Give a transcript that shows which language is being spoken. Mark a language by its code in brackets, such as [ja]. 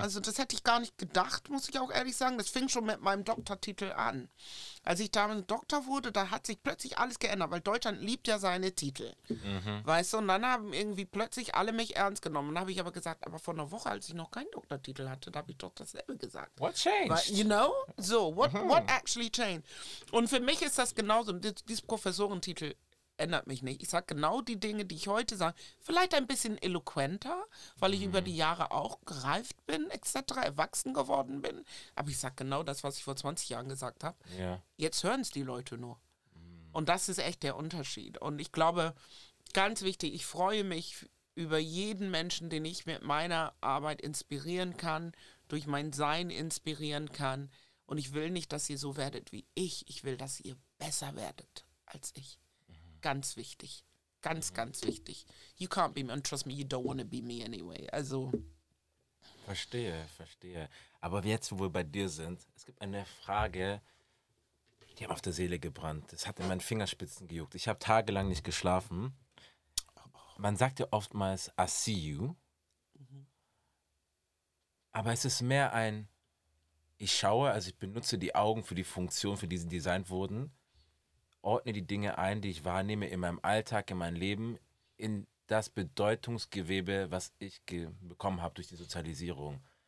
[de] Also das hätte ich gar nicht gedacht, muss ich auch ehrlich sagen. Das fing schon mit meinem Doktortitel an. Als ich damals Doktor wurde, da hat sich plötzlich alles geändert, weil Deutschland liebt ja seine Titel. Mhm. Weißt du? Und dann haben irgendwie plötzlich alle mich ernst genommen. Und dann habe ich aber gesagt, aber vor einer Woche, als ich noch keinen Doktortitel hatte, da habe ich doch dasselbe gesagt. [en] What changed? But, you know? So, what actually changed? [de] Und für mich ist das genauso, dieses Professorentitel ändert mich nicht. Ich sage genau die Dinge, die ich heute sage. Vielleicht ein bisschen eloquenter, weil ich über die Jahre auch gereift bin, etc., erwachsen geworden bin. Aber ich sage genau das, was ich vor 20 Jahren gesagt habe. Ja. Jetzt hören es die Leute nur. Und das ist echt der Unterschied. Und ich glaube, ganz wichtig, ich freue mich über jeden Menschen, den ich mit meiner Arbeit inspirieren kann, durch mein Sein inspirieren kann. Und ich will nicht, dass ihr so werdet wie ich. Ich will, dass ihr besser werdet als ich. Ganz wichtig. Ganz, ganz wichtig. [en] You can't be me. And trust me, you don't want to be me anyway. [de] Also, Verstehe, verstehe. Aber jetzt, wo wir bei dir sind, es gibt eine Frage, die hat mir auf der Seele gebrannt. Es hat in meinen Fingerspitzen gejuckt. Ich habe tagelang nicht geschlafen. Man sagt ja oftmals, [en] I see you. [de] Aber es ist mehr ein, ich schaue, also ich benutze die Augen für die Funktion, für die sie designt wurden, ordne die Dinge ein, die ich wahrnehme in meinem Alltag, in meinem Leben, in das Bedeutungsgewebe, was ich bekommen habe durch die Sozialisierung.